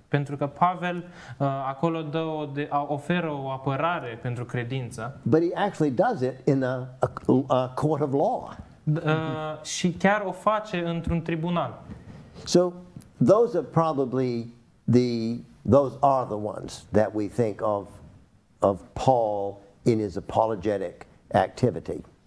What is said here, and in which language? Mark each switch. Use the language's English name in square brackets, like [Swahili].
[Romanian] Pentru că Pavel acolo dă o de, oferă o apărare pentru credință. [English] But he actually does it in a court of law. [Romanian] Și chiar o face într-un tribunal. [English] So those are probably the those are the ones that we think of Paul in his apologetic activity.